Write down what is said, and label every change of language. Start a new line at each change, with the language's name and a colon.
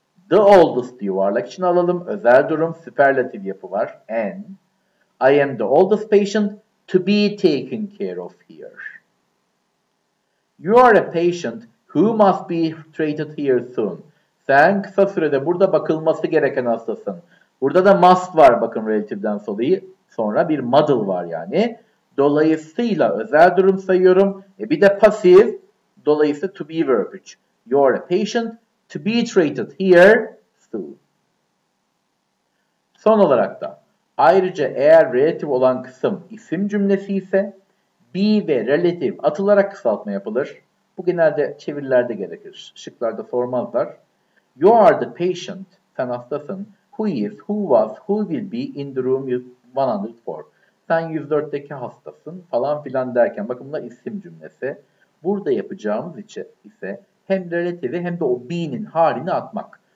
English: The oldest
Turkish: yuvarlak için alalım. Özel durum superlative yapı var.
English: And I am the oldest patient to be taken care of here. You are a patient who must be treated here soon.
Turkish: Sen kısa sürede burada bakılması gereken hastasın. Burada da must var bakın relative'den sonra bir muddle var yani. Dolayısıyla özel durum sayıyorum. Bir de passive. Dolayısıyla
English: to be verb 3. You are a patient to be treated here soon.
Turkish: Son olarak da ayrıca eğer relative olan kısım isim cümlesi ise be ve relative atılarak kısaltma yapılır. Bu genelde çevirilerde gerekir. Şıklarda sormazlar.
English: You are the patient,
Turkish: sen hastasın,
English: who is, who was, who will be in the room 104.
Turkish: Sen 104'teki hastasın falan filan derken bakın bunlar isim cümlesi. Burada yapacağımız ise hem relative'i hem de o be'nin halini atmak.